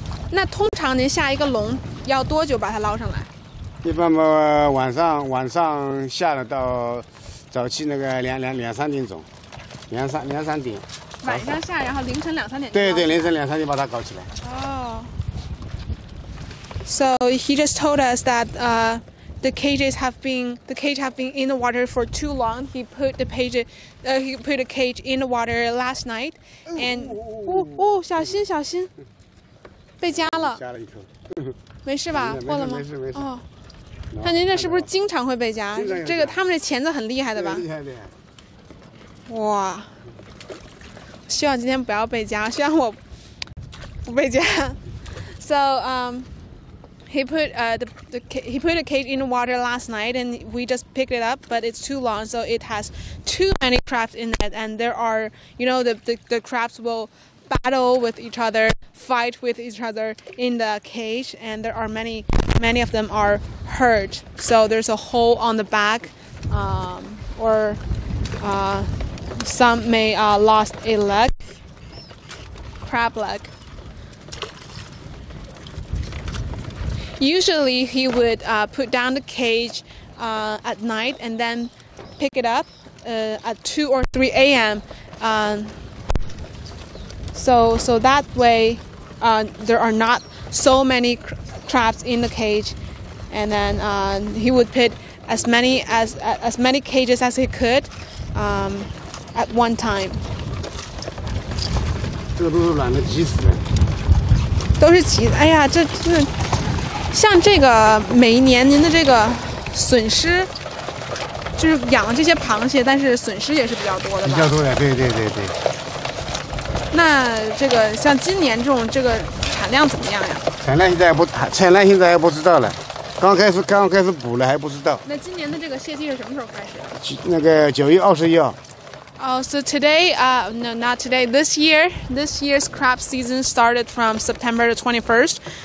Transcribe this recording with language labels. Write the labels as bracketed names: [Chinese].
[Chinese] 那通常您下一个笼要多久把它捞上来？一般嘛，晚上下了到早期那个两三点钟，两三点。晚上下，然后凌晨两三点。对对，凌晨两三点把它搞起来。哦。 [English] So he just told us that the cage have been in the water for too long. He put the page, he put a cage in the water last night, and [Chinese] 小心，被夹了。夹了一口。没事吧？破了吗？没事。哦，那您这是不是经常会被夹？这个他们这钳子很厉害的吧？厉害的。哇，希望今天不要被夹，希望我不被夹。 [English] So He put a cage in the water last night, and we just picked it up, but it's too long, so it has too many crabs in it, and there are, you know, the crabs will battle with each other, fight with each other in the cage, and there are many of them are hurt. So there's a hole on the back, some may lost a leg, crab leg. Usually he would put down the cage at night and then pick it up at 2 or 3 a.m. So that way there are not so many traps in the cage. And then he would put as many cages as he could at one time. [Chinese] 这个都是懒得急死的。都是急的，哎呀，这像这个每一年您的这个损失，就是养了这些螃蟹，但是损失也是比较多的吧。比较多的，对对对对。那这个像今年这种这个产量怎么样呀？产量现在还不知道了，刚开始补了还不知道。那今年的这个蟹季是什么时候开始？那个9月21号。 [English] So today, no, not today. This year's crab season started from September 21st.